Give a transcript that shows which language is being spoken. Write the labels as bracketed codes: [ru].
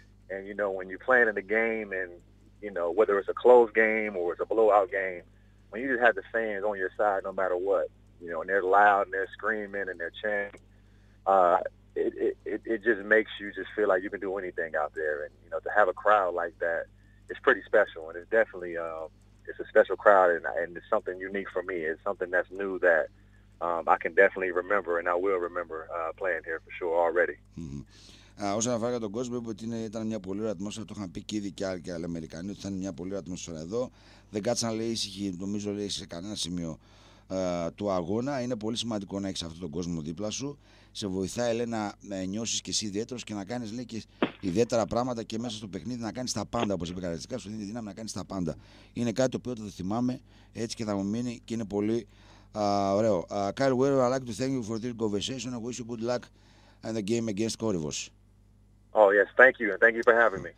[en] And, you know, when you're playing in a game and, you know, whether it's a close game or it's a blowout game, when you just have the fans on your side no matter what, you know, and they're loud and they're screaming and they're chanting, It just makes you just feel like you can do anything out there, and you know, to have a crowd like that, it's pretty special, and it's definitely it's a special crowd, and it's something unique for me. It's something that's new that I can definitely remember, and I will remember playing here for sure already. Mm-hmm. [el] Όσον αφορά τον κόσμο, είπε ότι ήταν μια πολύ ωραία ατμόσφαιρα. Το είχαν πει και ήδη και άλλοι και άλλοι Αμερικανοί ότι ήταν μια πολύ ωραία ατμόσφαιρα εδώ. Δεν κάτσαν, λέει, ήσυχοι, νομίζω, λέει, σε κανένα σημείο του αγώνα. Είναι πολύ σημαντικό να έχεις αυτόν τον κόσμο δίπλα σου. Σε βοηθάει, λέει, να νιώσεις και εσύ ιδιαίτερος και να κάνεις, λέει, και ιδιαίτερα πράγματα και μέσα στο παιχνίδι να κάνεις τα πάντα. Όπως είπε, καταλαβαίνεις, σου δίνει δύναμη να κάνεις τα πάντα. Είναι κάτι το οποίο θα το θυμάμαι έτσι και θα μου μείνει και είναι πολύ ωραίο. [en] Kyle Weber, I'd like to thank you for this conversation and wish you good luck in the game against Korivos. Oh yes, thank you and thank you for having me.